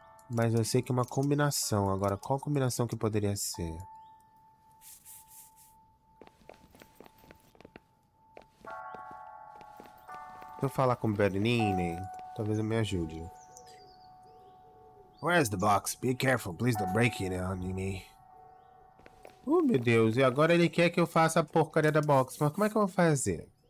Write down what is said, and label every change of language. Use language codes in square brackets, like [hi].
[pt] Mas eu sei que é uma combinação. Agora, qual combinação que poderia ser? Se eu falar com o Bernini, talvez eu me ajude. [en] Where's the box? Be careful, please don't break it on me. [pt] Oh meu Deus, e agora ele quer que eu faça a porcaria da box, mas como é que eu vou fazer?